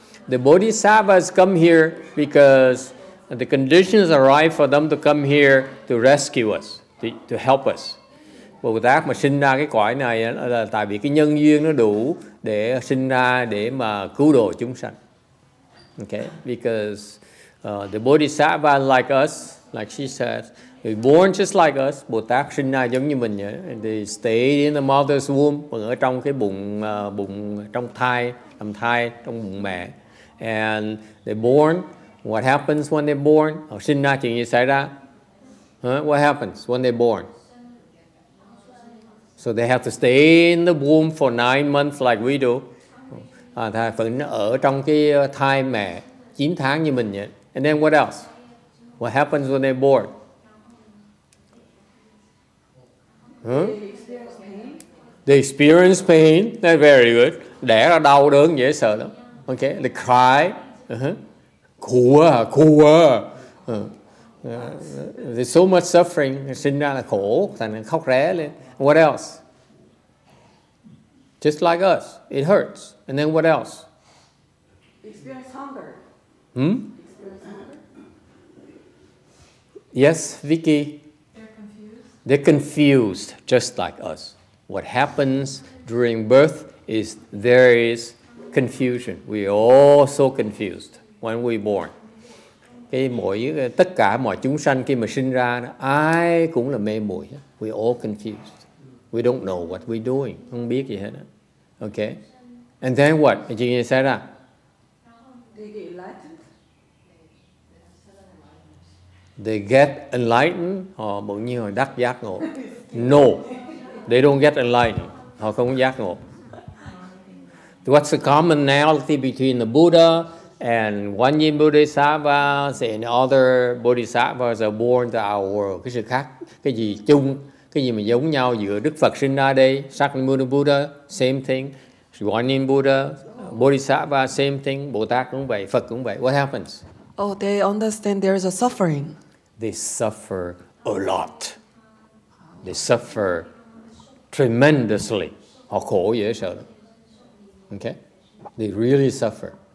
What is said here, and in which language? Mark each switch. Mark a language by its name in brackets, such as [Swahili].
[English] The bodhisattvas come here because the conditions are right for them to come here to rescue us. To help us. [Vietnamese] Bồ Tát mà sinh ra cái cõi này là tại vì cái nhân duyên nó đủ để sinh ra để mà cứu độ chúng sanh. [English] Okay, because the Bodhisattva like us, like she said, is born just like us. [Vietnamese] Bồ Tát sinh ra giống như mình nhỉ? [English] They stay in the mother's womb, [Vietnamese] ở trong cái bụng bụng trong thai, làm thai trong bụng mẹ. [English] And they're born. What happens when they're born? [Vietnamese] Oh, sinh ra chuyện gì xảy ra? [English] What happens when they're born? So they have to stay in the womb for 9 months like we do. [Vietnamese] Thai vẫn ở trong cái thai mẹ 9 tháng như mình nhỉ? [English] And then what else? What happens when they're born? They experience pain. That's very good. [Vietnamese] Đẻ ra đau đớn dễ sợ lắm. [English] Okay, they cry. There's so much suffering. [Vietnamese] Sinh ra là khổ, thành ra khóc ré lên. [English] What else? Just like us, it hurts. And then what else? Experience hunger. Yes, Vicky. They're confused, just like us. What happens during birth is there is confusion. We are all so confused when we're born. [Vietnamese] Tất cả mọi chúng sanh khi mà sinh ra, ai cũng là mê muội. [English] We all confused. We don't know what we're doing. [Vietnamese] Không biết gì hết. [English] Okay? And then what? Did you say that? They get enlightened. [Vietnamese] Họ bỗng nhiên họ đắc giác ngộ. [English] No, they don't get enlightened. [Vietnamese] Họ không giác ngộ. [English] What's the commonality between the Buddha and Quan Yin Bodhisattva and other Bodhisattvas are born to our world? [Vietnamese] Cái sự khác, cái gì chung, cái gì mà giống nhau giữa Đức Phật sinh ra đây, Shakyamuni Buddha, [English] same thing. Quan Yin Buddha, Bodhisattva, same thing. [Vietnamese] Bồ Tát cũng vậy, Phật cũng vậy. [English] What happens? Oh, they understand there is a suffering. They suffer a lot. They suffer tremendously. [Vietnamese] Họ khổ dễ sợ. [English] Okay? They really suffer.